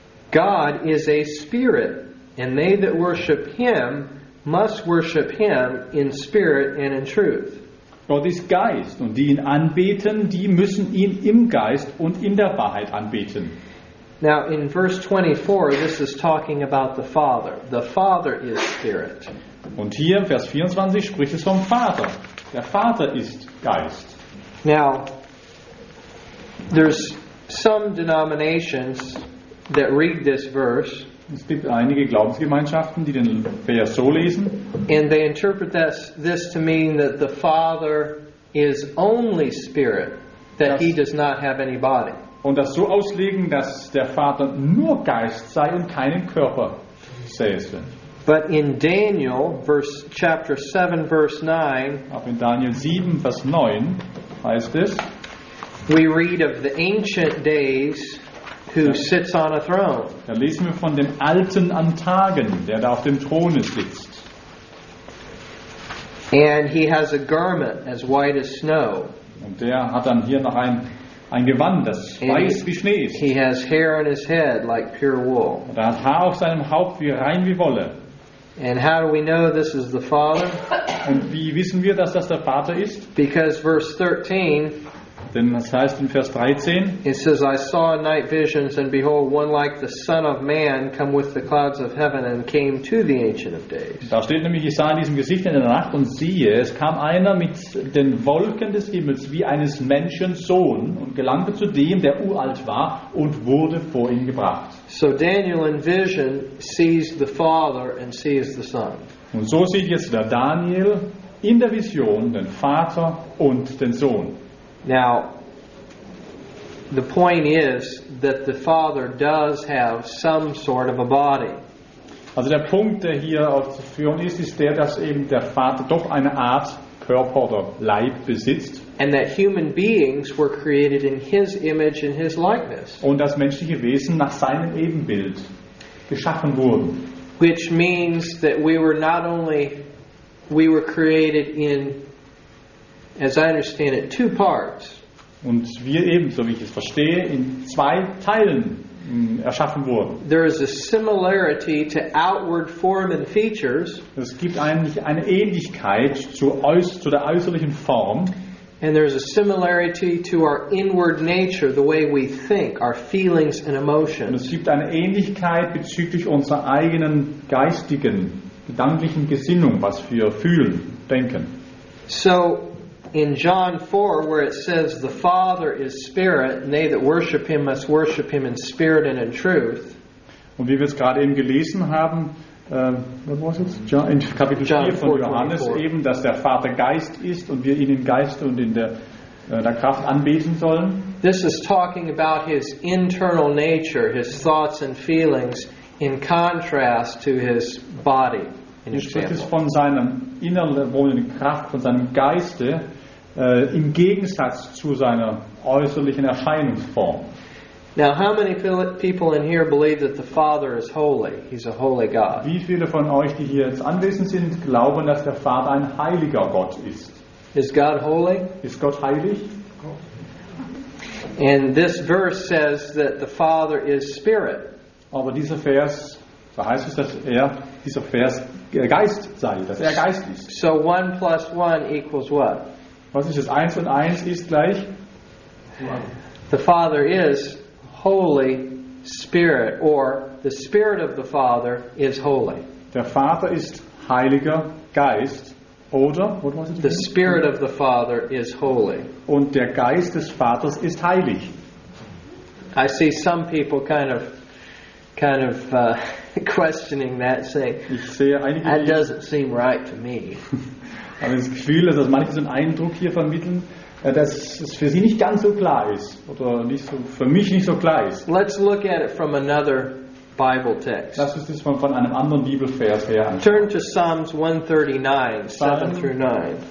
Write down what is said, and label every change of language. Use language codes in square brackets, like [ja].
[en] God is a spirit, and they that worship him must worship him in spirit and in truth. [de] Gott ist Geist, und die ihn anbeten, die müssen ihn im Geist und in der Wahrheit anbeten. [en] Now in verse 24, this is talking about the Father. The Father is spirit. [de] Und hier in Vers 24 spricht es vom Vater. Der Vater ist Geist. [en] Now, there's some denominations that read this verse. [de] Es gibt einige Glaubensgemeinschaften, die den Vers so lesen. [en] And they interpret this to mean that the Father is only spirit, that he does not have any body. [de] Und das so auslegen, dass der Vater nur Geist sei und keinen Körper, sei es denn. [en] But in Daniel, chapter 7, verse 9, [de] auch in Daniel 7, Vers 9, heißt es, [en] we read of the ancient days who sits on a throne. [de] Da lesen wir von dem Alten an Tagen, der da auf dem Throne sitzt. [en] And he has a garment as white as snow. [de] Und der hat dann hier noch ein Gewand, das weiß wie Schnee ist. [en] He has hair on his head like pure wool. [de] Und er hat Haar auf seinem Haupt wie rein wie Wolle. [en] And how do we know this is the Father? [de] Und wie wissen wir, dass das der Vater ist? [en] Because verse 13, [de] denn das heißt in Vers 13, [en] it says, I saw in night visions, and behold, one like the Son of Man come with the clouds of heaven and came to the Ancient of Days. [de] Da steht nämlich, ich sah in diesem Gesicht in der Nacht und siehe, es kam einer mit den Wolken des Himmels wie eines Menschen Sohn und gelangte zu dem, der uralt war und wurde vor ihn gebracht. [en] So Daniel in vision sees the Father and sees the Son. [de] Und so sieht jetzt der Daniel in der Vision den Vater und den Sohn. [en] Now, the point is that the Father does have some sort of a body. [de] Also der Punkt, der hier aufzuführen ist, ist der, dass eben der Vater doch eine Art Körper oder Leib besitzt. [en] And that human beings were created in his image and his likeness. [de] Und dass menschliche Wesen nach seinem Ebenbild geschaffen wurden. [en] Which means that we were created in, as I understand it, two parts. [de] Und wir eben, so wie ich es verstehe, in zwei Teilen erschaffen wurden. [en] There is a similarity to outward form and features. [de] Es gibt eigentlich eine Ähnlichkeit zu der äußerlichen Form. [en] And there is a similarity to our inward nature, the way we think, our feelings and emotions. [de] Und es gibt eine Ähnlichkeit bezüglich unserer eigenen geistigen, gedanklichen Gesinnung, was wir fühlen, denken. [en] So, in John 4, where it says the Father is spirit, and they that worship him must worship him in spirit and in truth. [de] Und wie wir es gerade eben gelesen haben, in Kapitel 4 von Johannes eben, dass der Vater Geist ist und wir ihn im Geist und in der Kraft anbeten sollen. [en] This is talking about his internal nature, his thoughts and feelings, in contrast to his body. [de] Hier spricht es von seinem inneren wohnenden Kraft, von seinem Geiste, im Gegensatz zu seiner äußerlichen Erscheinungsform. [en] Now, how many people in here believe that the Father is holy? He's a holy God. [de] Wie viele von euch, die hier jetzt anwesend sind, glauben, dass der Vater ein heiliger Gott ist? [en] Is God holy? [de] Ist Gott heilig? [en] And this verse says that the Father is spirit. [de] Aber dieser Vers, da heißt es, dass er, dieser Vers, Geist sei, dass er Geist ist. [en] So 1 plus 1 equals what? [de] Was ist das? 1 und 1 ist gleich? [en] The Father is Holy Spirit, or the Spirit of the Father is holy. [de] Der Vater ist Heiliger Geist, oder? [en] What was it? The Spirit of the Father is holy. [de] Und der Geist des Vaters ist heilig. [en] I see some people kind of questioning that, saying, [de] ich sehe einige, [en] that doesn't seem right to me. [de] Aber das Gefühl, dass manche so einen Eindruck hier vermitteln, dass es für sie nicht ganz so klar ist, oder nicht so, für mich nicht so klar ist. [en] Let's look at it from another Bible text. [de] Das ist diesmal von einem anderen Bibelvers her. [en] Turn to Psalms 139, 7 through 9.